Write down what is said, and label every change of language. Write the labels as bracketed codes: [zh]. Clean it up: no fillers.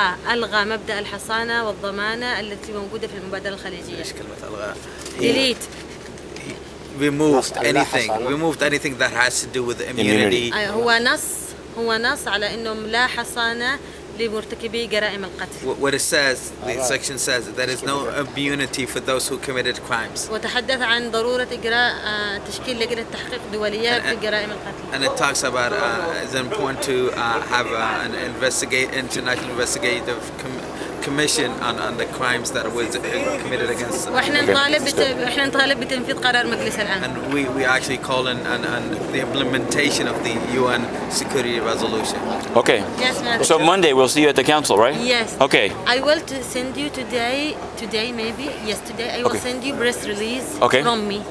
[ar] ألغى مبدأ الحصانة والضمانة التي موجودة في المبادرة الخليجية. إيش كلمة ألغى؟ [en] Delete. Removed anything that has to do with immunity. [ar] هو نص على إنهم لا حصانة لمرتكبي جرائم القتل. [en] What it says, the section says that there is no immunity for those who committed crimes. [ar] وتحدث عن ضرورة إجراء تشكيل لجنة تحقيق دولية في جرائم القتل. [en] And it talks about it's important to have an international investigative commission on the crimes that was committed against them. [ar] واحنا نطالب بتنفيذ قرار مجلس الأمن. [en] And we actually call in on the implementation of the UN security resolution. Okay. Yes, ma'am. So Monday we'll see you at the council, right? Yes. Okay. I will send you today maybe yesterday. I will send you press release from me.